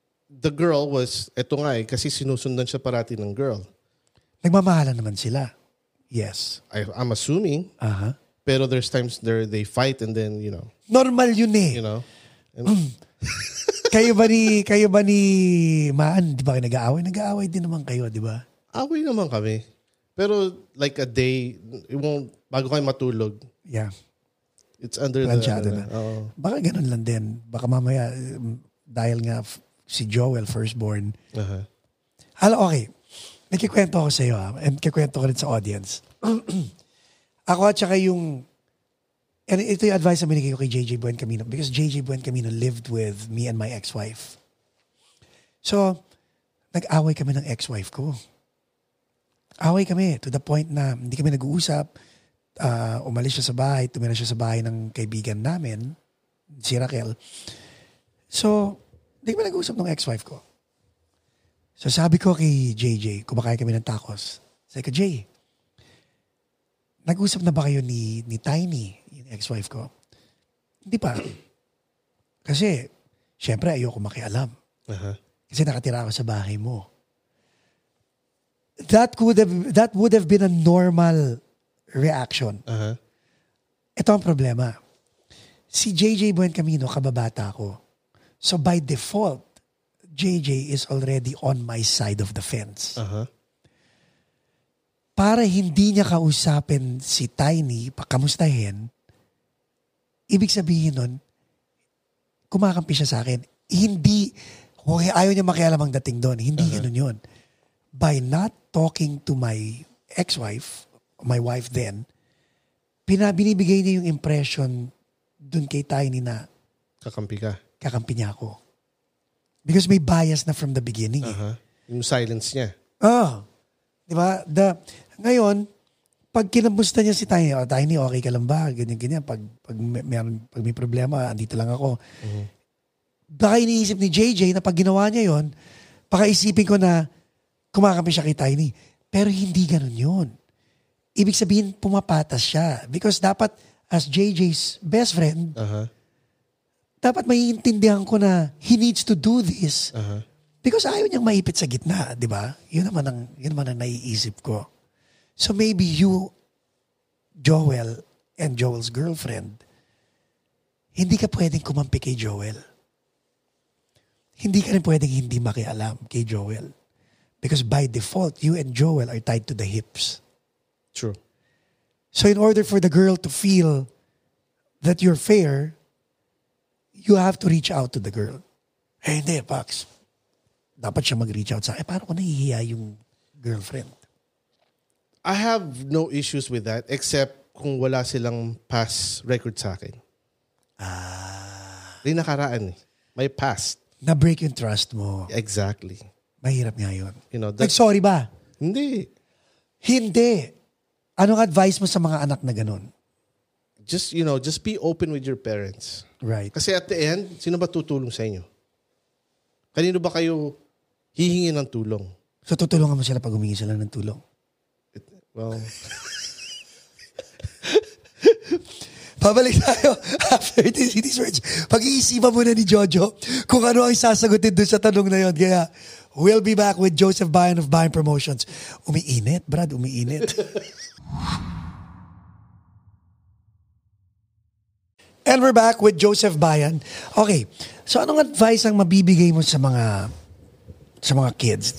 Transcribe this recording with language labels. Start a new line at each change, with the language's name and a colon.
English: The girl was,
Filipino: eto nga eh, kasi sinusundan siya parati ng girl. Nagmamahalan naman sila. Yes.
English: I'm assuming. Aha. Uh-huh. Pero there's times they fight and then, you know.
Filipino: Normal yun eh.
English: You know?
Filipino: kayo ba ni Maan, di ba kayo nag-aaway? Nag-aaway din naman kayo, di ba? Away naman kami. Pero
English: like a day,
Filipino: bago kayo matulog.
English: Yeah. It's under
Filipino: planchado
English: the...
Filipino: Planchado na. Baka ganun lang din. Baka mamaya, dahil nga si Joel, firstborn. Uh-huh. Hala, okay. Nagkikwento ako sa iyo, ha? And kikwento ko rin sa audience. Ako at saka yung... And ito yung advice na binigay ko kay JJ Buencamino.
English: Because JJ Buencamino lived with me and my ex-wife.
Filipino: So, nag-away kami ng ex-wife ko. Away kami
English: to the point
Filipino: na hindi kami nag-uusap. Umalis siya sa bahay. Tumira siya sa bahay ng kaibigan namin, si Raquel. So, hindi kami nag-uusap ng ex-wife ko. So, sabi ko kay JJ, kumakaya kami ng tacos. Sabi ko, Jay, nag-usap na ba kayo ni Tiny, yung ex-wife ko? Hindi pa. Kasi, syempre, ayoko makialam. Uh-huh. Kasi nakatira ako sa bahay mo.
English: That would have been a normal reaction. Uh-huh.
Filipino: Ito ang problema. Si JJ Buencamino, kababata ko.
English: So by default, JJ is already on my side of the fence. Uh-huh.
Filipino: Para hindi niya kausapin si Tiny, pakamustahin, ibig sabihin nun, kumakampi siya sa akin. Hindi, ayaw niya makialam ang dating doon. Hindi ganun uh-huh. yun.
English: By not talking to my ex-wife, my wife then,
Filipino: binibigay niya yung impression dun kay Tiny na kakampi ka. Kakampi niya ako.
English: Because may bias na from the beginning. Uh-huh. Eh.
Filipino: Yung silence niya. Oh. Di ba? The... Ngayon, pag kinamusta niya si Tiny, oh, Tiny, okay ka lang ba? Ganyan-ganyan. Pag may problema, andito lang ako. Mm-hmm. Baka iniisip ni JJ na pag ginawa niya yon, pakaisipin ko na kumakampi siya kay Tiny. Pero hindi ganun yon. Ibig sabihin, pumapatas siya.
English: Because dapat, as JJ's best friend,
Filipino: dapat maiintindihan ko na
English: he needs to do this. Uh-huh.
Filipino: Because ayaw niyang maipit sa gitna, di ba? Yun naman ang naiisip ko.
English: So maybe you, Joel, and Joel's girlfriend,
Filipino: hindi ka pwedeng kumampi kay Joel. Hindi ka rin pwedeng hindi makialam kay Joel.
English: Because by default, you and Joel are tied to the hips. True. So in order for the girl to feel that you're fair, you have to reach out to the girl.
Filipino: Eh hindi, Pax. Dapat siya mag-reach out sa akin. Parang ko nahihiya yung girlfriend.
English: I have no issues with that except
Filipino: kung wala silang past record sa akin. Ah. Di nakaraan. May past. Na-break yung trust mo.
English: Exactly.
Filipino: Mahirap nga yun.
English: You know, that, like, sorry ba?
Filipino: Hindi. Hindi. Anong advice mo sa mga anak na ganun?
English: Just, you know, just be open with your parents. Right.
Filipino: Kasi
English: at the end,
Filipino: sino ba tutulong sa inyo? Kanino ba kayo hihingi ng tulong? So, tutulungan mo sila pag humingi sila ng tulong?
English: Well.
Filipino: Pabalik tayo after this city search. Pag-iisipan mo na ni Jojo kung ano ang sasagutin doon sa tanong na yon.
English: Kaya, we'll be back with Joseph Bayan of Bayan Promotions.
Filipino: Umiinit, Brad. Umiinit.
English: And we're back with Joseph Bayan.
Filipino: Okay, so anong advice ang mabibigay mo sa mga kids?